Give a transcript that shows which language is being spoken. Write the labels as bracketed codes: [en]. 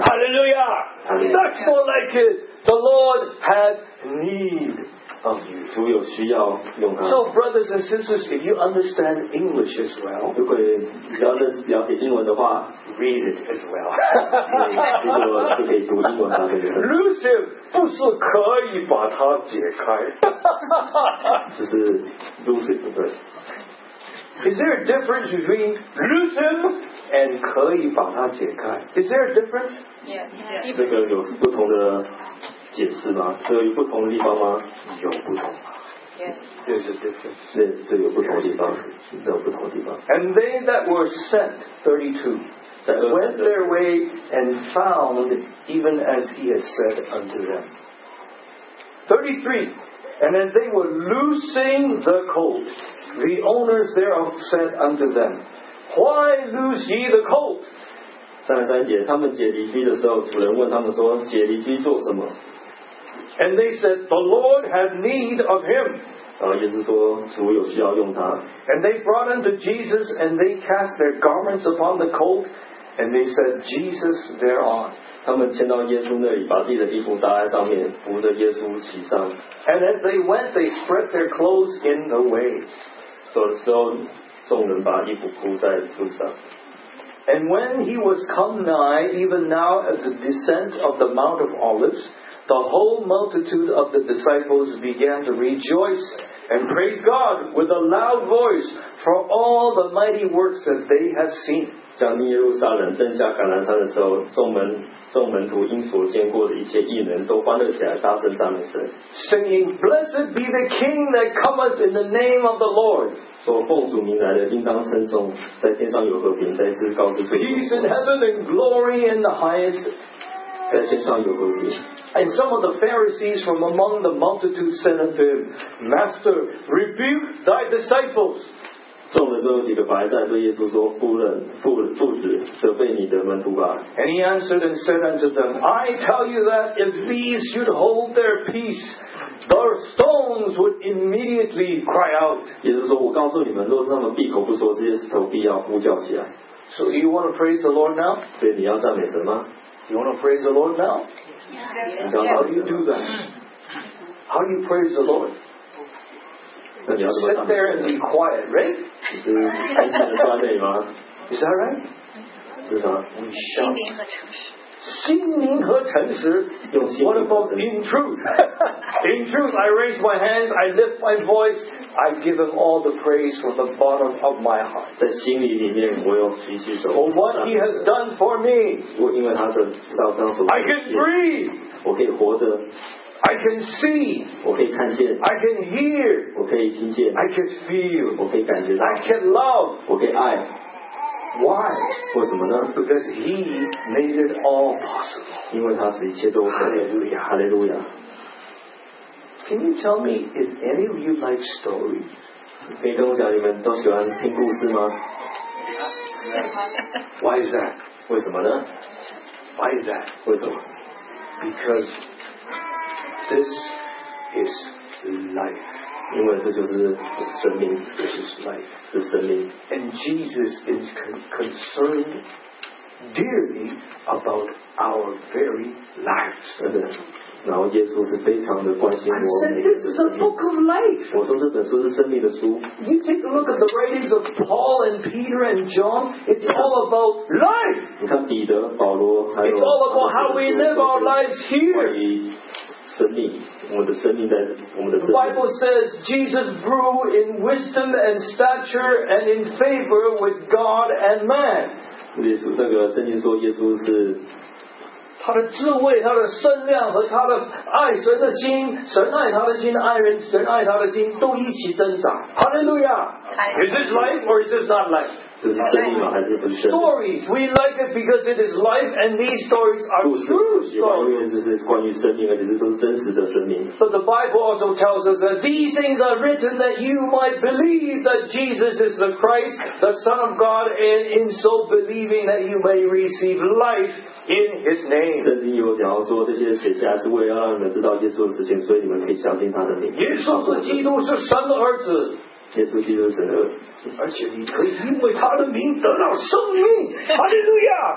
[en] Hallelujah! That's more like it. The Lord had need So brothers and sisters, if you understand English as well, [zh] 如果了解了解英文的话 [en] read it as well. [zh] 如果就可以读英文的话，对不对？Lucy 不是可以把它解开，就是 Lucy 不对。 [en] Is there a difference between Lucifer and [zh] 可以把它解开 [en] Is there a difference? Yeah, yeah. [zh] 这个有不同的解释吗？这个有不同的地方吗？有不同。 [en] Yes. There's a difference. [zh] 这有不同的地方，这有不同的地方。 [en] And they that were sent, 32, went their way and found even as he had said unto them. 33. And as they were loosing the colt, the owners thereof said unto them, Why loose ye the colt? [zh] 33节，他们解驴驹的时候，主人问他们说，解驴驹做什么？ [en] And they said, The Lord had need of him. [zh] 也是说主有需要用他。 [en] And they brought unto Jesus, and they cast their garments upon the colt, and they said, Jesus thereon. [zh] 他们牵到耶稣那里，把自己的衣服搭在上面，扶着耶稣骑上。 [en] And as they went, they spread their clothes in the way. [zh] 所以众人把衣服铺在路上。 [en] And when he was come nigh, even now at the descent of the Mount of Olives, the whole multitude of the disciples began to rejoice and praise God with a loud voice for all the mighty works that they had seen. [zh] 将耶路撒冷正下橄榄山的时候，众门徒因所见过的一些异能，都欢乐起来，大声赞美神。 [en] Singing, Blessed be the King that cometh in the name of the Lord. [zh] 说奉主名来的，应当称颂。在天上有和平，在这告诉主。 [en] Peace in heaven and glory in the highest. [zh] 在天上有和平。 [en] And some of the Pharisees from among the multitude said unto him, Master, rebuke thy disciples. [zh] 众人中有几个法利赛对耶稣说：“父子，责备你的门徒吧。” [en] And he answered and said unto them, I tell you that if these should hold their peace, the stones would immediately cry out. [zh] 也就是说，我告诉你们，若是他们闭口不说，这些石头必要呼叫起来。 [en] So you want to praise the Lord now? [zh] 对，你要赞美神吗？ [en] You want to praise the Lord now? Yes. How do you do that? How do you praise the Lord? You sit there and be quiet, right? Is that right? Is that right? [zh] 心灵和诚实。 [en] What about in truth? In truth, I raise my hands, I lift my voice, I give him all the praise from the bottom of my heart. [zh] 在心里面我要举起手。 [en] For what he has done for me. [zh] 因为他是道上所。 [en] I can breathe. [zh] 我可以活着。 [en] I can see. [zh] 我可以看见。 [en] I can hear. [zh] 我可以听见。 [en] I can feel. [zh] 我可以感觉到。 [en] I can love. [zh] 我可以爱。 [en] Why? [zh] 为什么呢？ [en] Because He made it all possible. [zh] 因为他使一切都可 [en] 以。Hallelujah. Hallelujah. Can you tell me if any of you like stories? [zh] 可以跟我讲你们都喜欢听故事吗？ [en] Why is that? [zh] 为什么呢？ [en] Why is that? [zh] 为什么？ [en] Because. This is life. [zh] 因为这就是生命。 [en] This is life. [zh] 是生命。 [en] And Jesus is concerned dearly about our very lives. [zh] 然后耶稣是非常的关心我们。 [en] I said this is a book of life. [zh] 我说这本书是生命的书。 [en] You take a look at the writings of Paul and Peter and John. It's all about life. [zh] 你看彼得、保罗还有。 [en] It's all about how we live our lives here. The Bible says Jesus grew in wisdom and stature and in favor with God and man. [zh] 那个圣经说耶稣是他的智慧、他的身量和他的爱神的心，神爱他的心，爱人神爱他的心都一起增长。 [en] Hallelujah! Is this life or is this not life? [zh] 这是生命吗？还是不是 [en] ？Stories, we like it because it is life, and these stories are true stories. [zh] 因为这是关于生命，而且这都是真实的生命。 [en] But the Bible also tells us that these things are written that you might believe that Jesus is the Christ, the Son of God, and in so believing that you may receive life in His name. [zh] 圣经有讲到说，这些写下来是为了让你们知道耶稣的事情，所以你们可以相信他的名。耶稣是基督，是神的儿子。耶稣基督是神的儿子。而且你可以因为他的名得到生命，哈利路亚。